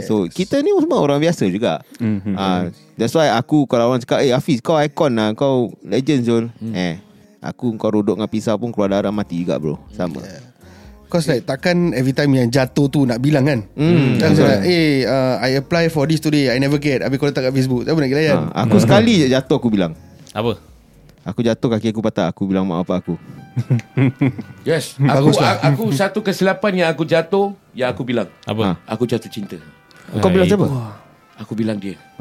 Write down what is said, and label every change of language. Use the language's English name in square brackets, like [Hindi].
[Malay] So kita ni semua orang biasa juga. That's why aku, kalau orang cakap, eh Hafiz, kau ikon lah, kau legend Zul. Aku kau rodok dengan pisau pun keluar darah, mati juga bro. Sama. Cause like, takkan every time yang jatuh tu nak bilang kan. [English] I apply for this today, I never get. [Malay] Habis kau letak kat Facebook, siapa nak kira kan? Aku sekali je jatuh aku bilang. Apa? Aku jatuh, kaki aku patah, aku bilang mak bapak aku. Yes. Aku satu kesilapan yang aku jatuh, yang aku bilang. Apa? Aku jatuh cinta. Kau bilang siapa? Aku bilang dia.